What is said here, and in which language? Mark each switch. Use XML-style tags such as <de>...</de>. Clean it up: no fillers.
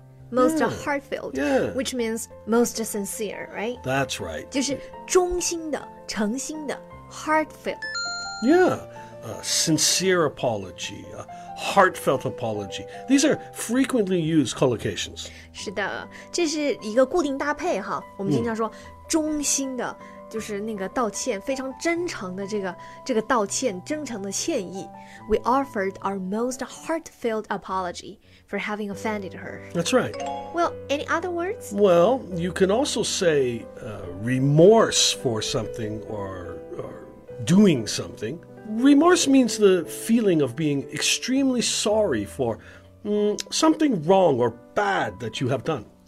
<en>Most heartfelt, which means most sincere, right? That's right.</en> <zh>就是衷心的诚心的 heartfelt.</zh> <en>Yeah. Sincere apology, a heartfelt apology. These are frequently used collocations.</en> <zh>是的，这是一个固定搭配哈。我们经常说衷心的，就是那个道歉，非常真诚的这个道歉，真诚的歉意。</zh> <en>We offered our most heartfelt apology for having offended her. That's right. Well, any other words? Well, you can also say remorse for something or doing something. Remorse means the feeling of being extremely sorry for something wrong or bad that you have done.</en>